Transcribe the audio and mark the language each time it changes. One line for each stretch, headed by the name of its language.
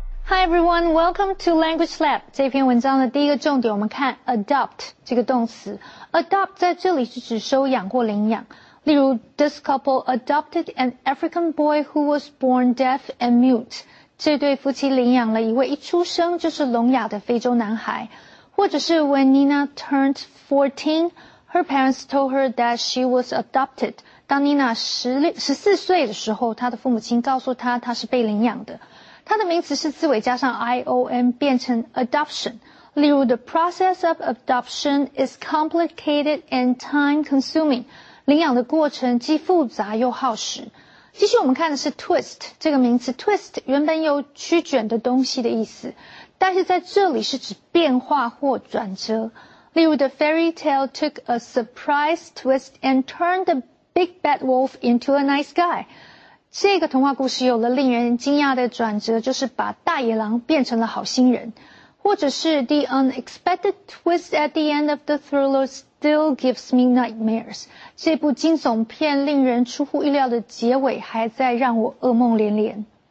English: Everyone, welcome to Language Lab.
Chinese: 这篇文章的第一个重点，我们看 adopt 这个动词。 Adopt 在这里是指收养或领养。例如
English: ，this couple adopted an African boy who was born deaf and mute.
Chinese: 这对夫妻领养了一位一出生就是聋哑的非洲男孩。或者是
English: when Nina turned 14, her parents told her that she was adopted.
Chinese: 当 Nina 14岁的时候，她的父母亲告诉她她是被领养的。它的名词是字尾加上 ion 变成 adoption。例如
English: ，the process of adoption is complicated and time-consuming。
Chinese: 领养的过程既复杂又耗时。继续我们看的是 twist 这个名词 ，twist 原本有曲卷的东西的意思，但是在这里是指变化或转折。例如
English: ，the fairy tale took a surprise twist and turned the big bad wolf into a nice guy。
Chinese: 这个童话故事有了令人惊讶的转折，就是把大野狼变成了好心人。或者是
English: The unexpected twist at the end of the thriller still gives me nightmares.
Chinese: 这部惊悚片令人出乎意料的结尾还在让我噩梦连连。